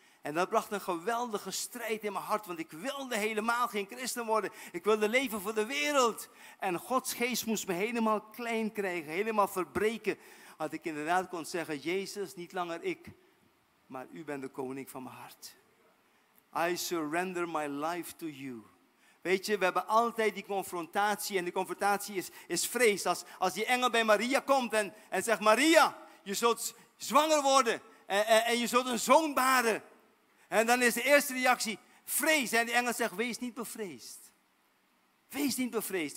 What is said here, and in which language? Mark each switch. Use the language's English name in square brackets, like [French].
[Dutch] En dat bracht een geweldige strijd in mijn hart. Want ik wilde helemaal geen christen worden. Ik wilde leven voor de wereld. En Gods geest moest me helemaal klein krijgen. Helemaal verbreken. Had ik inderdaad kon zeggen, Jezus, niet langer ik. Maar u bent de koning van mijn hart. [English] I surrender my life to you. [Dutch] Weet je, we hebben altijd die confrontatie. En die confrontatie is vrees. Als die engel bij Maria komt en zegt, Maria, je zult zwanger worden. En je zult een zoon baren. En dan is de eerste reactie vrees. En die engel zegt, wees niet bevreesd. Wees niet bevreesd.